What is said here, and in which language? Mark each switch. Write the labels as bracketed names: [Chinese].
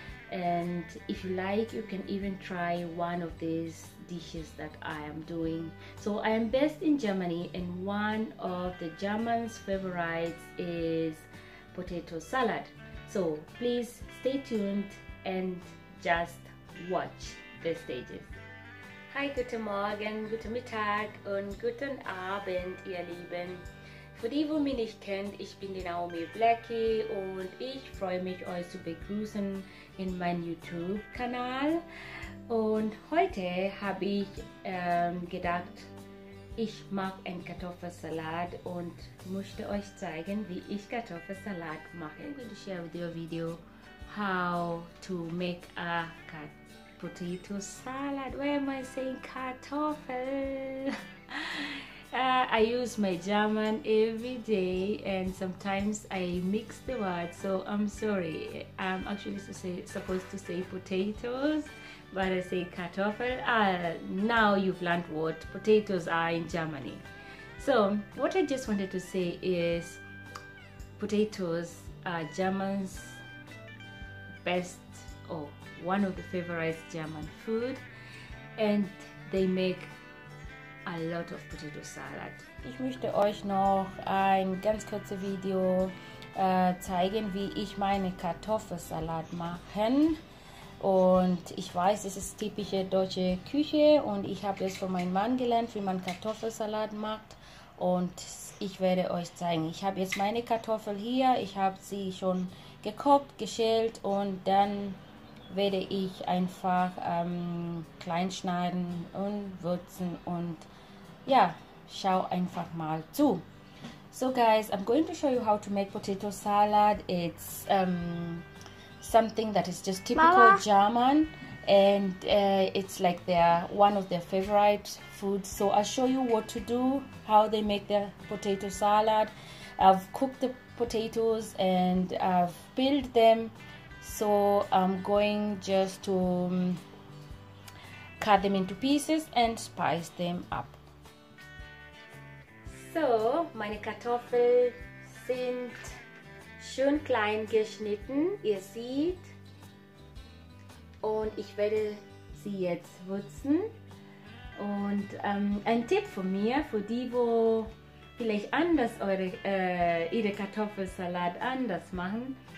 [English] And if you like, you can even try one of these dishes that I am doing. So I am based in Germany, and one of the Germans' favorites is potato salad. So please stay tuned and just watch the stages. [German] Hi, guten Morgen, guten Mittag und guten Abend, ihr Lieben. Für die, wo mich nicht kennt, ich bin die Naomi Blackie und ich freue mich, euch zu begrüßen in meinem YouTube-Kanal. Und heute habe ich gedacht, ich mache einen Kartoffelsalat und möchte euch zeigen, wie ich Kartoffelsalat mache. [English] I'm going to share with you a video, how to make a potato salad. Why am I saying Kartoffel? I use my German every day, and sometimes I mix the words, so I'm sorry. I'm actually supposed to say potatoes, but I say Kartoffel. Now you've learned what potatoes are in Germany. So what I just wanted to say is potatoes are German's best, or one of the favorite German food, and they make a lot of potato salad. [German] Ich möchte euch noch ein ganz kurzes Video zeigen, wie ich meine Kartoffelsalat mache. Und ich weiß, es ist typische deutsche Küche, und ich habe es von meinem Mann gelernt, wie man Kartoffelsalat macht. Und ich werde euch zeigen. Ich habe jetzt meine Kartoffel hier. Ich habe sie schon gekocht, geschält, und dann werde ich einfach klein schneiden und würzen. Und ja, schau einfach mal zu. [English] So guys, I'm going to show you how to make potato salad. It's something that is just typical Mama. German, and it's like their one of their favorite foods. So I'll show you what to do, how they make their potato salad. I've cooked the potatoes and I've peeled them. So I'm going just to cut them into pieces and spice them up. [German] So meine Kartoffeln sind schön klein geschnitten, ihr seht, und ich werde sie jetzt würzen. Und ein Tipp von mir, für die, wo vielleicht anders eure ihre Kartoffelsalat anders machen.